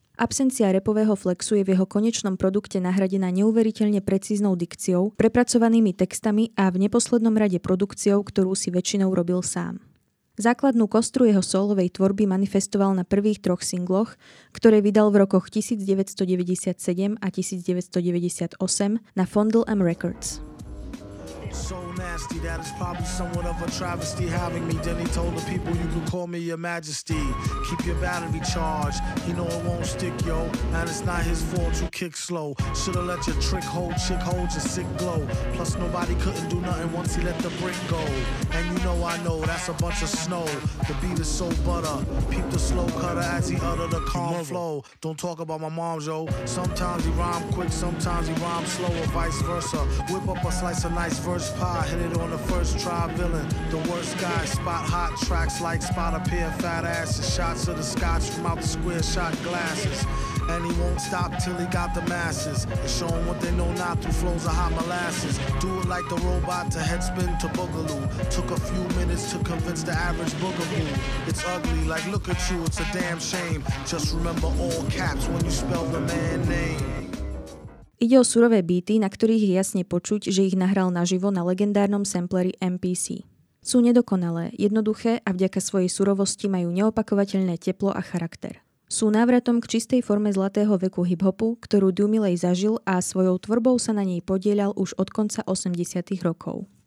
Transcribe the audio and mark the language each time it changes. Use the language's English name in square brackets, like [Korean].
[Slovak] Absencia rapového flexu je v jeho konečnom produkte nahradená neuveriteľne precíznou dikciou, prepracovanými textami a v neposlednom rade produkciou, ktorú si väčšinou robil sám. Základnú kostru jeho solovej tvorby manifestoval na prvých troch singloch, ktoré vydal v rokoch 1997 a 1998 na Fondle M Records. [English] So nasty that is probably somewhat of a travesty having me. Then he told the people you can call me your majesty. Keep your battery charged. He know it won't stick, yo. And it's not his fault you kick slow. Shoulda let your trick hold, chick hold your sick glow. Plus nobody couldn't do nothing once he let the brick go. And you know I know that's a bunch of snow. The beat is so butter. Peep the slow cutter as he utter the calm flow. Don't talk about my mom, yo. Sometimes he rhyme quick, sometimes he rhyme slow, or vice versa. Whip up a slice of nice verse. First pie, hit it on the first try, villain. The worst guy, spot hot tracks like spot a pair of fat asses. Shots of the scotch from out the square shot glasses. And he won't stop till he got the masses. And show 'em what they know not through flows of hot molasses. Do it like the robot to head spin to boogaloo. Took a few minutes to convince the average boogaloo. It's ugly, like look at you, it's a damn shame. Just remember all caps when you spell the man name. [Slovak] Ide o surové beaty, na ktorých je jasne počuť, že ich nahral naživo na legendárnom sampleri MPC. Sú nedokonalé, jednoduché a vďaka svojej surovosti majú neopakovateľné teplo a charakter. Sú návratom k čistej forme zlatého veku hiphopu, ktorú Dumilej zažil a svojou tvorbou sa na nej podieľal už od konca 80. rokov.